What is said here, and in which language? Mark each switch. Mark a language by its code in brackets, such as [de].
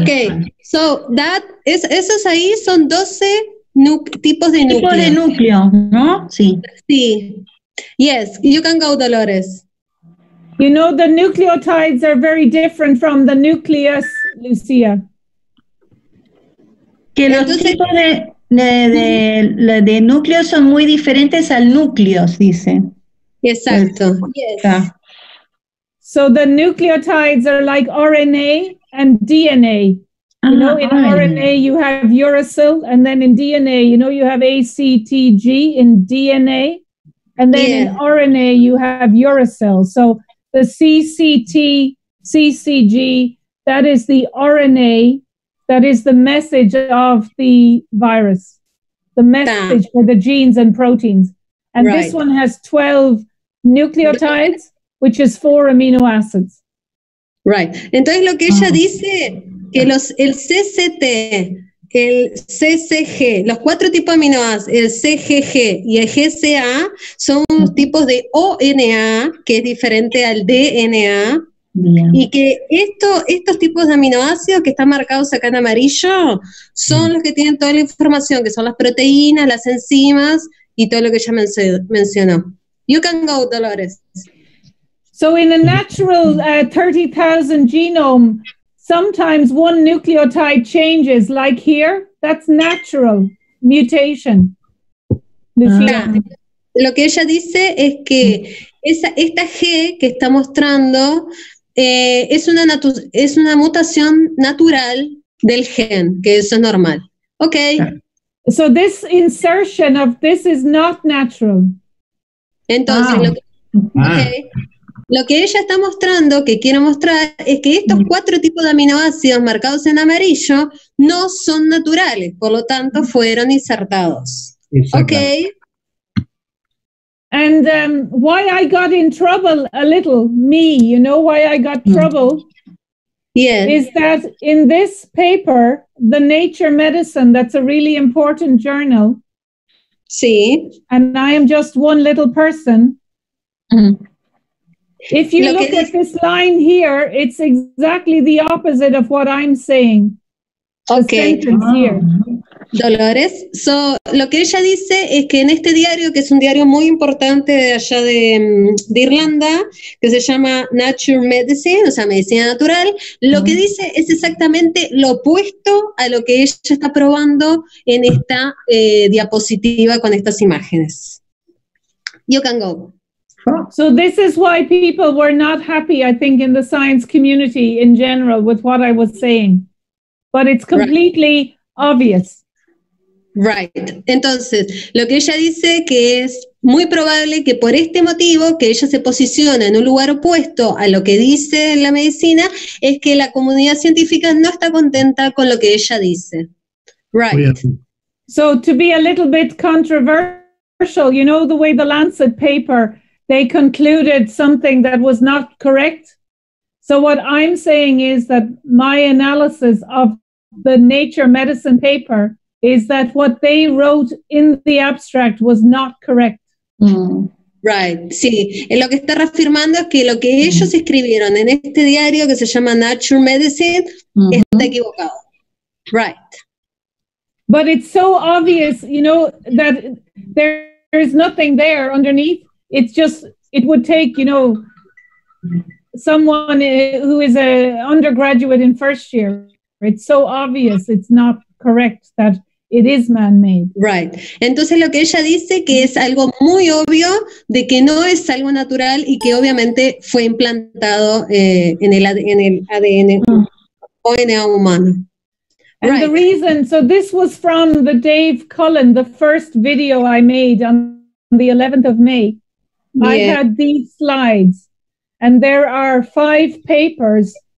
[en] Okay, so that is, [es] esos ahí son 12 tipos de núcleo. Tipos de núcleo, ¿no? Sí. Sí. [en] Yes, you can go, Dolores. You know, the nucleotides are very different from the nucleus, Lucia. [es] Que los tipos de núcleo son muy diferentes al núcleo, dice. Exacto. [en] Yes. So the nucleotides are like RNA and DNA. You know, in RNA you have uracil, and then in DNA, you know, you have ACTG in DNA, and then in RNA you have uracil. So the CCT, CCG, that is the RNA, that is the message of the virus, the message for the genes and proteins. And this one has 12 nucleotides, which is 4 amino acids. Right. [es] Entonces lo que ella dice, que los, el CCT, el CCG, los cuatro tipos de aminoácidos, el CGG y el GCA, son tipos de ONA, que es diferente al DNA, y que estos tipos de aminoácidos que están marcados acá en amarillo, son los que tienen toda la información, que son las proteínas, las enzimas, y todo lo que ella mencionó. [en] You can go, Dolores. So in a natural 30,000 genome, sometimes one nucleotide changes, like here. That's natural mutation. [es] Lo que ella dice es que esta G que está mostrando es una mutación natural del gen, que eso es normal. [en] Okay. So this insertion of this is not natural. [es] Entonces, lo que ella está mostrando, que quiere mostrar, es que estos cuatro tipos de aminoácidos marcados en amarillo no son naturales, por lo tanto fueron insertados. Exacto. Okay. [en] And why I got in trouble a little, me, you know why I got trouble? Yes. Is that in this paper, the Nature Medicine, that's a really important journal. [es] Sí. [en] And I am just one little person. If you look at this line here, it's exactly the opposite of what I'm saying. Okay. Here. [es] Dolores, so lo que ella dice es que en este diario, que es un diario muy importante de allá de Irlanda, que se llama Nature Medicine, o sea, medicina natural, lo que dice es exactamente lo opuesto a lo que ella está probando en esta diapositiva con estas imágenes. [en] You can go. So this is why people were not happy, I think, in the science community in general with what I was saying. But it's completely obvious. Right. [es] Entonces, lo que ella dice que es muy probable que por este motivo que ella se posiciona en un lugar opuesto a lo que dice la medicina es que la comunidad científica no está contenta con lo que ella dice. [en] Right. So to be a little bit controversial, you know the way the Lancet paper, they concluded something that was not correct. So what I'm saying is that my analysis of the Nature Medicine paper is that what they wrote in the abstract was not correct. Right, sí. [es] Lo que está reafirmando es que lo que ellos escribieron en este diario que se llama Nature Medicine está equivocado. [en] Right. But it's so obvious, you know, that there is nothing there underneath. It's just, it would take, you know, someone who is an undergraduate in first year, It's so obvious, it's not correct that it is man-made. Right. [es] Entonces lo que ella dice que es algo muy obvio de que no es algo natural y que obviamente fue implantado en el ADN humano. [en] And right. The reason, so this was from the Dave Cullen, the first video I made on the 11th of May. Yeah. I had these slides, and there are five papers.